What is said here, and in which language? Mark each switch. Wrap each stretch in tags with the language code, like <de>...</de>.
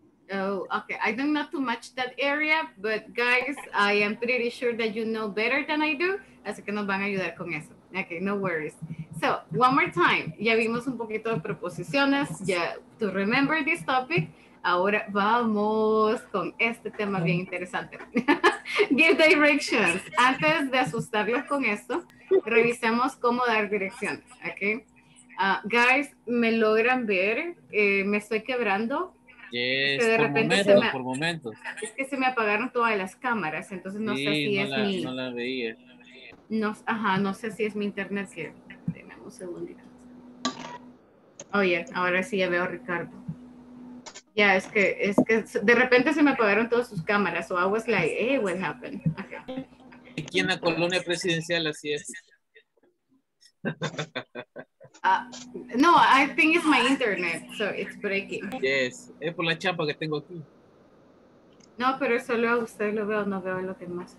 <en>Oh, okay. I don't know too much that area, but guys, I am pretty sure that you know better than I do.</en> <es>Así que nos van a ayudar con eso.</es> <en>Okay, no worries. So, one more time.</en> <es>Ya vimos un poquito de preposiciones.</es> <en>Yeah, to remember this topic.</en> <es>Ahora vamos con este tema bien interesante.</es> <en>Give directions.</en> <es>Antes de asustarlos con esto, revisemos cómo dar direcciones. Okay. Guys, ¿me logran ver? ¿Me estoy quebrando? Yes, de repente por momentos. Es que se me apagaron todas las cámaras, entonces no sé si es mi... No la veía. No sé si es mi internet. Que... Denme un segundito. Oye, ahora sí ya veo a Ricardo. Ya, yeah, es que de repente se me apagaron todas sus cámaras.</es> <en>So I was like, hey, what happened?</en> <es>Okay. Aquí en la colonia presidencial así es.</es> <en>No, I think it's my internet, so it's breaking.</en> <es>Yes, es por la chapa que tengo aquí. No, pero solo a usted lo veo, no veo lo demás.</es>